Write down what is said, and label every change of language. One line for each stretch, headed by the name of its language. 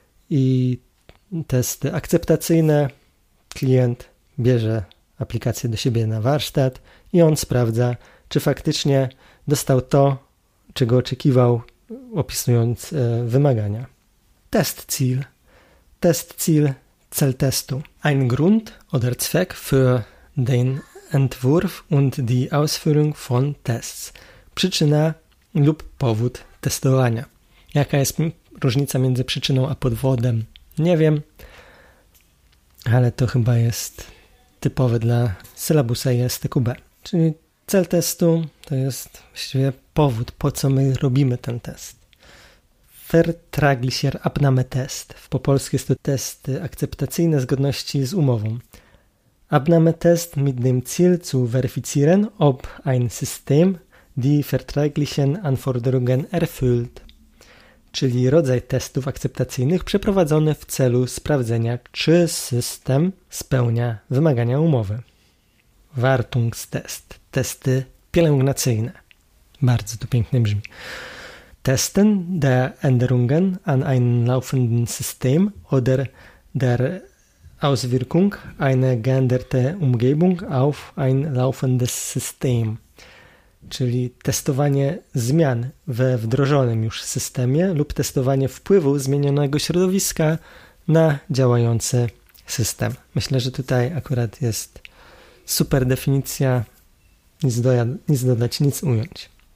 Polish: I testy akceptacyjne. Klient bierze aplikację do siebie na warsztat i on sprawdza, czy faktycznie dostał to, czego oczekiwał, opisując wymagania. Test Ziel, cel testu.
German: Ein Grund oder Zweck für den Entwurf und die Ausführung von Tests.
Polish: Przyczyna lub powód testowania. Jaka jest różnica między przyczyną a powodem? Nie wiem, ale to chyba jest typowe dla sylabusa ISTQB. Czyli cel testu to jest właściwie powód, po co my robimy ten test. Vertraglicher Abnahmetest. Po polsku jest to test akceptacyjny zgodności z umową.
German: Abnahmetest mit dem Ziel zu verifizieren, ob ein System die vertraglichen Anforderungen erfüllt.
Polish: Czyli rodzaj testów akceptacyjnych przeprowadzony w celu sprawdzenia, czy system spełnia wymagania umowy. Wartungstest. Testy pielęgnacyjne. Bardzo to pięknie brzmi.
German: Testen der Änderungen an einem laufenden System oder der Auswirkung einer geänderten Umgebung auf ein laufendes System.
Polish: Czyli testowanie zmian we wdrożonym już systemie lub testowanie wpływu zmienionego środowiska na działający system. Myślę, że tutaj akurat jest super definicja, nic dodać, nic ująć.